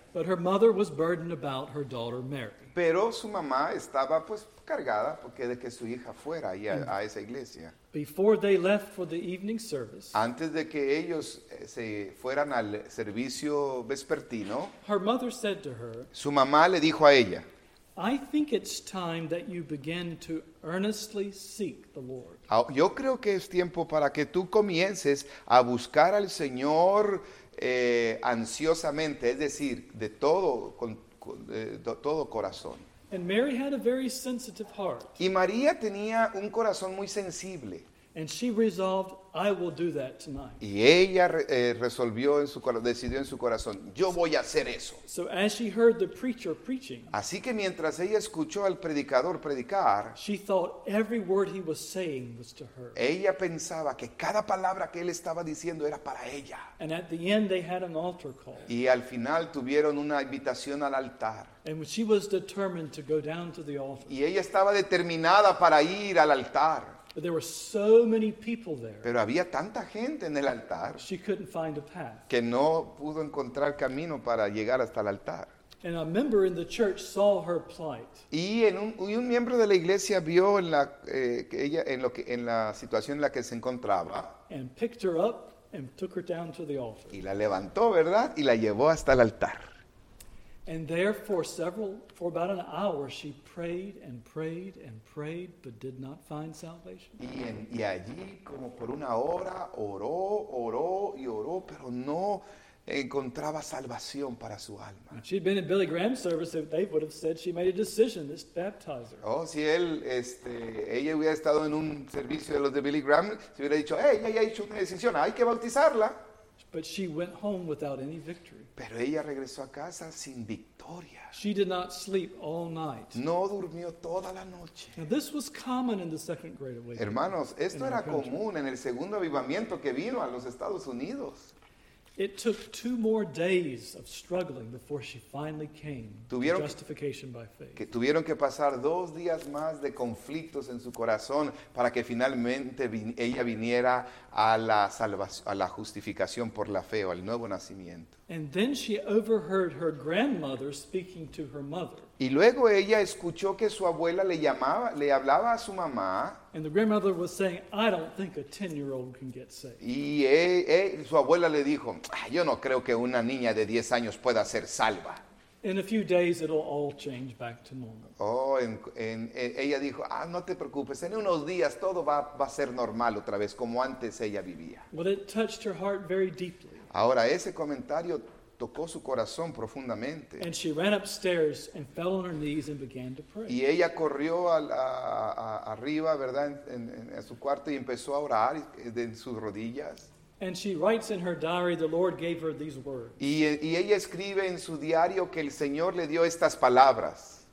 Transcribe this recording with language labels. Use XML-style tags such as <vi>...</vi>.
<en>But her mother was burdened about her daughter Mary.</en> <es>Pero su mamá estaba pues cargada porque de que su hija fuera ahí a esa iglesia.</es> <en>Before they left for the evening service,</en> <es>antes de que ellos se fueran al servicio vespertino,</es> <en>her mother said to her,</en> <es>su mamá le dijo a ella,</es> <en>I think it's time that you begin to earnestly seek the Lord.</en> <es>Yo creo que es tiempo para que tú comiences a buscar al Señor ansiosamente, es decir, de todo, todo corazón.</es> <en>And Mary had a very sensitive heart.</en> <es>Y María tenía un corazón muy sensible.</es> <en>And she resolved, I will do that tonight.</en> <es>Y ella resolvió en su corazón, decidió en su corazón, yo voy a hacer eso.</es> <en>So as she heard the preacher preaching,</en> <es>así que mientras ella escuchó al predicador predicar,</es> <en>she thought every word he was saying was to her.</en> <es>Ella pensaba que cada palabra que él estaba diciendo era para ella.</es> <en>And at the end they had an altar call.</en> <es>Y al final tuvieron una invitación al altar.</es> <en>And she was determined to go down to the altar.</en> <es>Y ella estaba determinada para ir al altar.</es> <en>But there were so many people there.</en> <es>Pero había tanta gente en el altar.</es> <en>She couldn't find a path.</en> <es>Que no pudo encontrar camino para llegar hasta el altar.</es> <en>And a member in the church saw her plight.</en> <es>Y un miembro de la iglesia vio en la situación en la que se encontraba.</es> <en>And picked her up and took her down to the altar.</en> <es>Y la levantó, ¿verdad? Y la llevó hasta el altar.</es> <en>And there for about an hour she prayed and prayed and prayed but did not find salvation.</en> <es>Y allí como por una hora oró, oró y oró, pero no encontraba salvación para su alma.</es> <en>If she'd been in Billy Graham's service, they would have said she made a decision to baptize her.</en> <es>Oh, si ella hubiera estado en un servicio de los de Billy Graham, se hubiera dicho, ella ya ha hecho una decisión, hay que bautizarla.</es> <en>But she went home without any victory.</en> <es>Pero ella regresó a casa sin victoria.</es> <en>She did not sleep all night.</en> <es>No durmió toda la noche.</es> <en>Now this was common in the Second Great Awakening.</en> <es>Hermanos, esto era común en el segundo avivamiento que vino a los Estados Unidos.</es> <en>It took two more days of struggling before she finally came to justification by faith.</en> <es>Que tuvieron que pasar dos días más de conflictos en su corazón para que finalmente ella viniera a la salvación, a la justificación por la fe o al nuevo nacimiento.</es> <en>And then she overheard her grandmother speaking to her mother.</en> <es>Y luego ella escuchó que su abuela le hablaba a su mamá.</es> <en>And the grandmother was saying, I don't think a 10-year-old can get saved.</en> <es>Y su abuela le dijo, yo no creo que una niña de 10 años pueda ser salva.</es> <en>In a few days it'll all change back to normal.</en> <es>Ella dijo, no te preocupes, en unos días todo va a ser normal otra vez, como antes ella vivía.</es> <en>Well, it touched her heart very deeply.</en> <es>Ahora, ese comentario tocó su corazón profundamente.</es> <en>And she ran upstairs and fell on her knees and began to pray.</en> <es>Y ella corrió arriba, ¿verdad?, en su cuarto y empezó a orar en sus rodillas.</es> <en>And she writes in her diary, the Lord gave her these words.</en> <es>Y ella escribe en su diario que el Señor le dio estas palabras.</es>